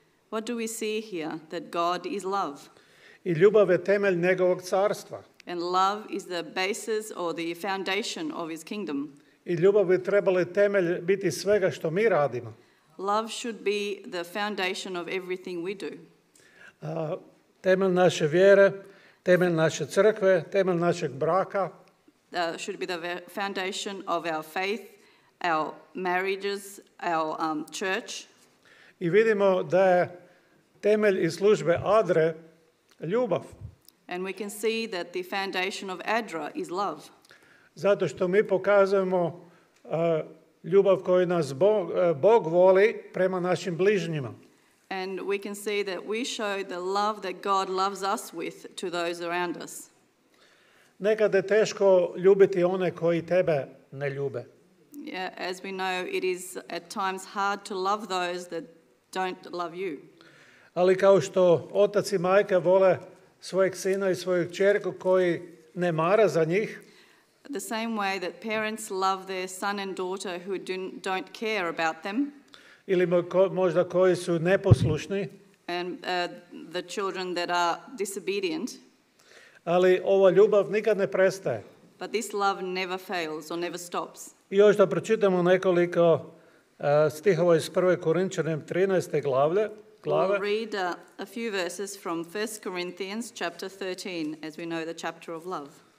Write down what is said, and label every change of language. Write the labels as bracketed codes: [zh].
[en] What do we see here? That God is love. [hr] I ljubav je temelj njegovog carstva. [en] And love is the basis or the foundation of his kingdom. [hr] I ljubav bi trebala temelj biti svega što mi radimo. [en] Love should be the foundation of everything we do. [hr] Temelj naše vjere, temelj naše crkve, temelj našeg braka. [en] Should be the foundation of our faith, our marriages, our church. [hr] I vidimo da je temelj i službe Adre ljubav. [en] And we can see that the foundation of Adra is love. [hr] Zato što mi pokazujemo ljubav koju nas Bog voli prema našim bližnjima. [en] And we can see that we show the love that God loves us with to those around us. [hr] Nekad je teško ljubiti one koji tebe ne ljube. [en] Yeah, as we know, it is at times hard to love those that don't love you. [hr] Ali kao što otac i majka vole svojeg sina i svoju kćerku koji ne mara za njih, [en] the same way that parents love their son and daughter who don't care about them. [hr] Ili možda koji su neposlušni. [en] And the children that are disobedient. [hr] Ali ova ljubav nikad ne prestaje. [en] But this love never fails or never stops. [hr] I još da pročitamo nekoliko stihova iz 1. Korinčanima 13. glave. [en] We'll read a few verses from 1 Corinthians chapter 13, as we know the chapter of love.